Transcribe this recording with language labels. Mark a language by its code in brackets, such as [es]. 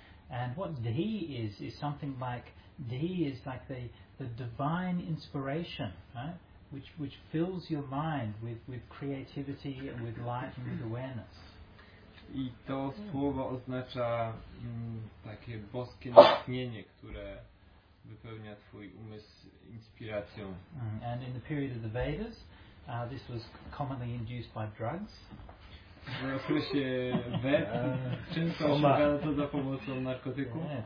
[en] And what dhi is something like, dhi is like the divine inspiration, right? Which fills your mind with creativity and with light and with awareness. [pl] I to słowo oznacza takie boskie natchnienie, które wypełnia twój umysł inspiracją. [en] And in the period of the Vedas, this was commonly induced by drugs. [pl] W okresie Ved często osiągano to za pomocą narkotyków.